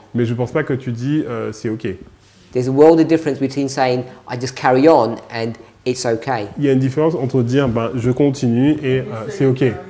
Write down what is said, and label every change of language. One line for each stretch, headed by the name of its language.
French: Mais je ne pense pas que tu dis, c'est ok.
English: There's a world of difference between saying, I just carry on, and it's okay.
French: Il y a une différence entre dire, ben, je continue et c'est ok.